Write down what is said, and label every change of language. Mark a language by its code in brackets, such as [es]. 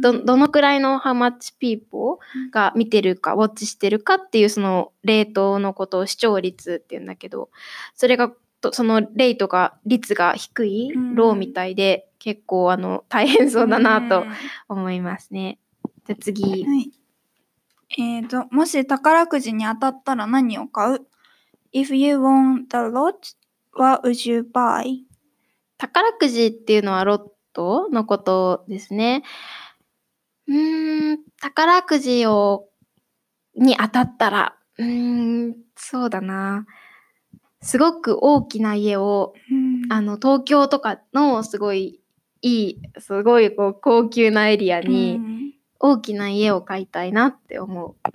[ja] どのくらいの [en] how much people [ja] が見てるか、うん、ウォッチしてるかっていうそのレイトのことを視聴率って言うんだけど、それがそのレイトが率が低い、ローみたいで、うん、結構あの大変そうだなと思いますね。じゃあ次。はい、もし宝くじに当たったら何を買う？ [en] If you won the lot, what would you buy? [ja] 宝くじっていうのはロットのことですね。宝くじをに当たったら、そうだな。すごく大きな家を、あの東京とかのすごいいい、すごいこう高級なエリアに、大きな家を買いたいなって思う。